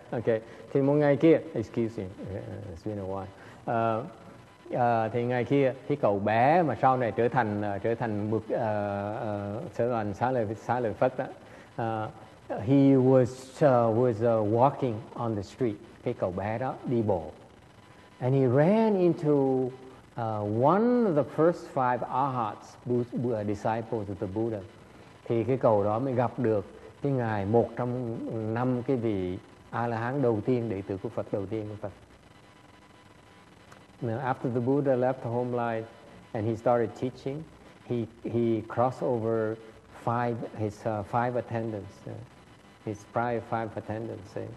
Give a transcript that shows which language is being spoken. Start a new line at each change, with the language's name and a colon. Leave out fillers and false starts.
English: Okay,
Vietnamese: thì một ngày kia,
English: excuse me, it's been a while.
Vietnamese: Thì ngày kia, cái cậu bé mà sau này trở thành Sa-lợi Phất đó,
English: he was walking on the street,
Vietnamese: cái cậu bé đó đi bộ.
English: And he ran into one of the first five Arhats, disciples of the Buddha.
Vietnamese: Thì cái cầu đó mới gặp được cái ngài một trong năm cái vị A-la-hán đầu tiên, đệ tử của Phật đầu tiên của Phật.
English: Now, after the Buddha left the home life and he started teaching, he crossed over his prior five attendants.